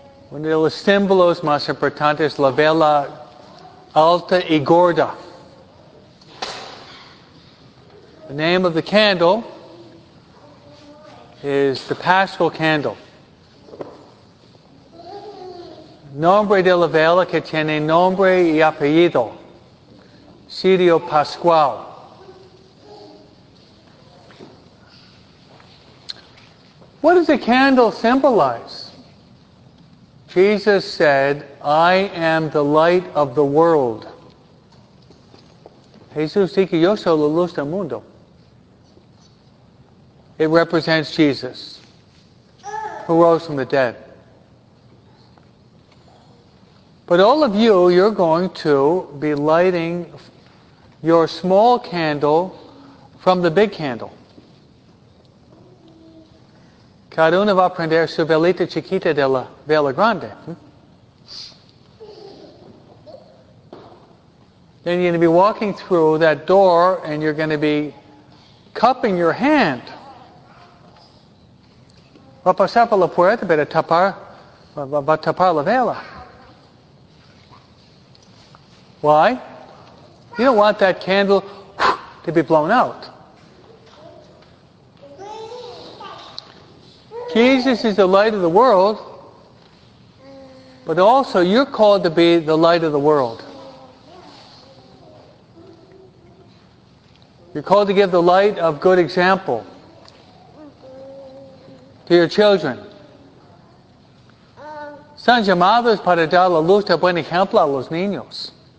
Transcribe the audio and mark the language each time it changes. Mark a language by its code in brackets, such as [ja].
[en] One of the [es] symbolos más importantes, la vela alta y gorda. [en] The name of the candle is the Paschal candle. [es] Nombre de la vela que tiene nombre y apellido, Sirio Pascual. [en] What does a candle symbolize? Jesus said, I am the light of the world. [es] Jesús dijo, yo soy la luz del mundo. [en] It represents Jesus, who rose from the dead. But all of you, you're going to be lighting your small candle from the big candle. [es] Cada uno va a prender su velita chiquita de la vela grande. [en] Then you're going to be walking through that door and you're going to be cupping your hand. [es] Va a pasar por la puerta, pero va a tapar la vela. [en] Why? You don't want that candle to be blown out. Jesus is the light of the world, but also you're called to be the light of the world. You're called to give the light of good example to your children. [es] Son llamados para dar la luz de buen ejemplo a los niños.